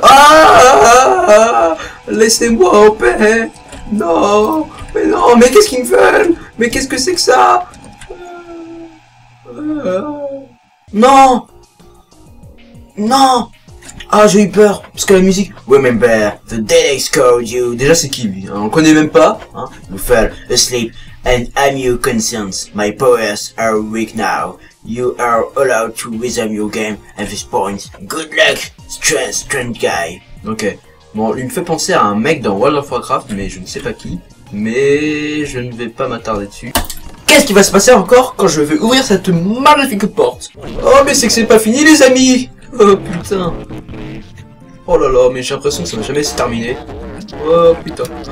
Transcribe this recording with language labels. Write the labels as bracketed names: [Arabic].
[French] Ah, laissez-moi en paix. Non, mais non, mais qu'est-ce qu'ils me veulent? Mais qu'est-ce que c'est que ça? Non, non. Ah, j'ai eu peur, parce que la musique. [English] Remember, the day they scold you. [French] Déjà, c'est qui? On connaît même pas. Hein? [English] You fell asleep, and I'm your conscience. My powers are weak now. You are allowed to resume your game at this point. Good luck, strange guy. Ok. [French] Bon, il me fait penser à un mec dans World of Warcraft, mais je ne sais pas qui. Mais je ne vais pas m'attarder dessus. Qu'est-ce qui va se passer encore quand je vais ouvrir cette magnifique porte? Oh, mais c'est que c'est pas fini, les amis! Oh putain! Oh là là, mais j'ai l'impression que ça va jamais se terminer. Oh putain!